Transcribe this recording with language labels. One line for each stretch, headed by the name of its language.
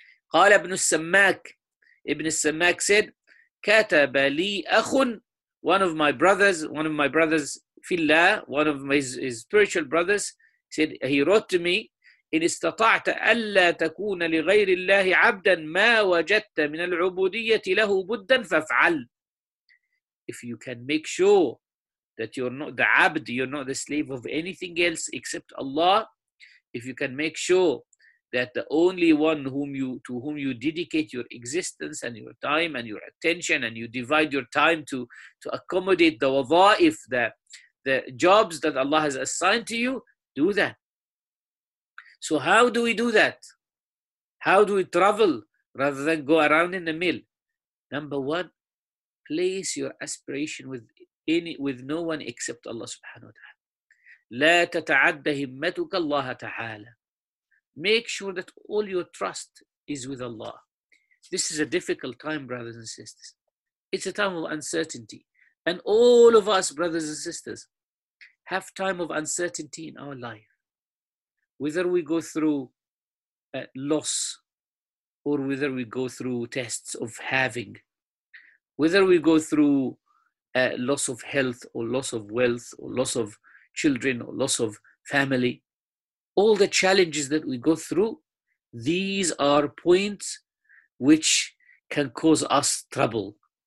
Arabic: قال ابن السماك ابن السماك said كتب لي أخ
English: one of my brothers
Arabic: في الله
English: one of his spiritual brothers said he wrote to me
Arabic: إن استطعت ألا تكون لغير الله عبدا ما وجدت من العبودية له بدا فافعل.
English: If you can make sure that you're not the abd, you're not the slave of anything else except Allah, if you can make sure that the only one to whom you dedicate your existence and your time and your attention, and you divide your time to accommodate the wadaif, the jobs that Allah has assigned to you, do that. So how do we do that? How do we travel rather than go around in the mill? Number one, place your aspiration with no one except Allah subhanahu wa ta'ala.
Arabic: لا تتعدى همتك الله تعالى.
English: Make sure that all your trust is with Allah. This is a difficult time, brothers and sisters. It's a time of uncertainty. And all of us, brothers and sisters, have time of uncertainty in our life. Whether we go through loss, or whether we go through tests of having, whether we go through loss of health, or loss of wealth, or loss of children, or loss of family, all the challenges that we go through, these are points which can cause us trouble.